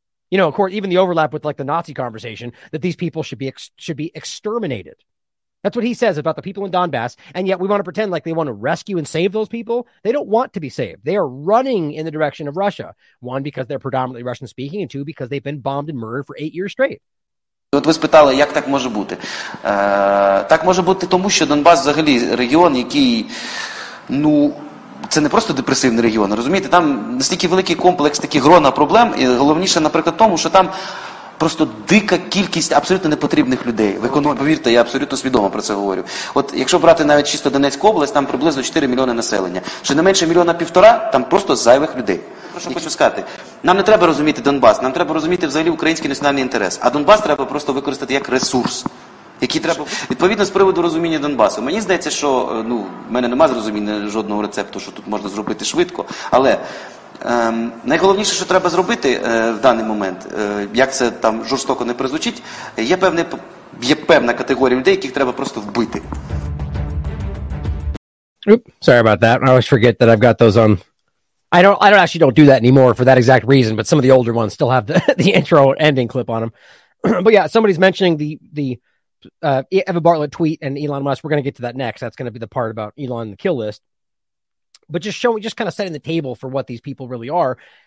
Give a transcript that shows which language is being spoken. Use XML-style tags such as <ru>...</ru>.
<en>You know, of course, even the overlap with like the Nazi conversation, that these people should be exterminated. That's what he says about the people in Donbass. And yet we want to pretend like they want to rescue and save those people. They don't want to be saved. They are running in the direction of Russia. One, because they're predominantly Russian speaking, and two, because they've been bombed and murdered for 8 years straight.</en> <uk>От ви спитали, як так може бути? Так може бути тому, що Донбас взагалі регіон, який, ну, це не просто депресивний регіон, розумієте? Там настільки великий комплекс, такі грона проблем. І головніше, наприклад, тому, що там просто дика кількість абсолютно непотрібних людей. В економіці, повірте, я абсолютно свідомо про це говорю. От якщо брати навіть чисто Донецьку область, там приблизно 4 мільйони населення. Чи не менше мільйона півтора, там просто зайвих людей. Що хочу сказати, нам не треба розуміти Донбас, нам треба розуміти взагалі український національний інтерес. А Донбас треба просто використати як ресурс. які треба відповідно з приводу розуміння Донбасу. Мені здається, що ну, в мене немає зрозуміння жодного рецепту, що тут можна зробити швидко. Але найголовніше, що треба зробити в даний момент, як це там жорстоко не прозвучить, є певна категорія людей, яких треба просто вбити.</uk> <en>Sorry about that. I always forget that I've got those on. I don't do that anymore for that exact reason, but some of the older ones still have the intro ending clip on them. But yeah, somebody's mentioning the Eva Bartlett tweet and Elon Musk. We're going to get to that next. That's going to be the part about Elon and the kill list. But just kind of setting the table for what these people really are.</en>